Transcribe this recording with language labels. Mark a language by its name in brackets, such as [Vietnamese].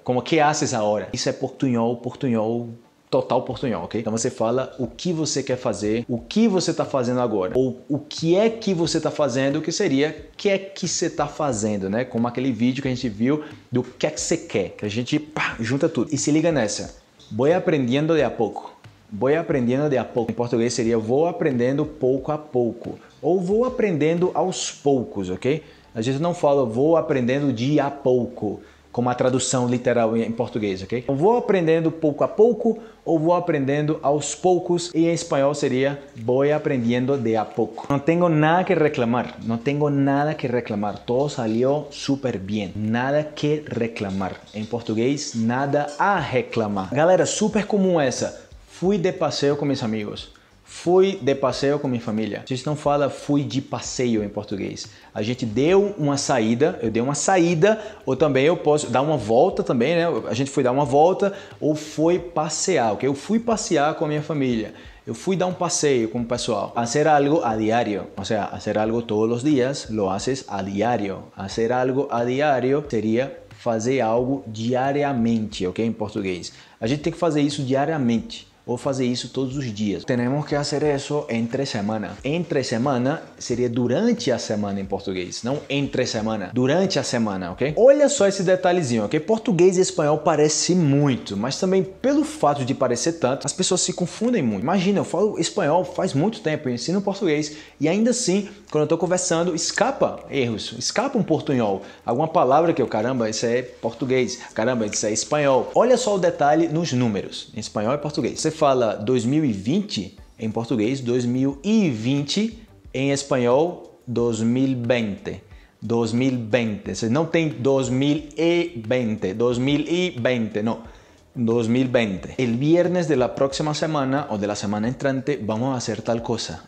[Spanish] Como que haces agora? [Portuguese] Isso é portunhol, portunhol, total portunhol, ok? Então você fala o que você quer fazer, o que você tá fazendo agora. Ou o que é que você tá fazendo, que seria que é que você tá fazendo, né? Como aquele vídeo que a gente viu do que é que você quer. Que a gente pá, junta tudo. E se liga nessa. [Spanish] Voy aprendiendo de a pouco. Voy aprendiendo de a pouco. [Portuguese] Em português seria vou aprendendo pouco a pouco. Ou vou aprendendo aos poucos, ok? A gente não fala vou aprendendo de a pouco, como a tradução literal em português, ok? Então, vou aprendendo pouco a pouco ou vou aprendendo aos poucos. E em espanhol seria [Spanish] voy aprendiendo de a pouco. [Portuguese] Não tenho nada que reclamar. Não tenho nada que reclamar. [Spanish] Todo salió super bien. [Portuguese] Nada que reclamar. Em português, nada a reclamar. Galera, super comum essa. [Spanish] Fui de paseo [Portuguese] com meus amigos. Fui de passeio com minha família. A gente não fala fui de passeio em português. A gente deu uma saída, eu dei uma saída, ou também eu posso dar uma volta também, né? A gente foi dar uma volta ou foi passear, ok? Eu fui passear com a minha família. Eu fui dar um passeio com o pessoal. [Spanish] Hacer algo a diario. [Portuguese] Ou seja, [Spanish] hacer algo [Portuguese] todos os dias, [Spanish] lo haces a diario. Hacer algo a diario [Portuguese] seria fazer algo diariamente, ok? Em português. A gente tem que fazer isso diariamente. Vou fazer isso todos os dias. Temos que fazer isso entre semana. Entre semana seria durante a semana em português. Não entre semana. Durante a semana, ok? Olha só esse detalhezinho, ok? Português e espanhol parecem muito. Mas também pelo fato de parecer tanto, as pessoas se confundem muito. Imagina, eu falo espanhol faz muito tempo. Eu ensino português. E ainda assim, quando eu estou conversando, escapa erros. Escapa um portunhol. Alguma palavra que eu, caramba, isso é português. Caramba, isso é espanhol. Olha só o detalhe nos números. Em espanhol e português. Você fala 2020 em português, 2020 em espanhol, 2020, 2020, você não tem 2020, 2020, não, 2020. [Spanish] El viernes de la próxima semana o de la semana entrante vamos a hacer tal cosa.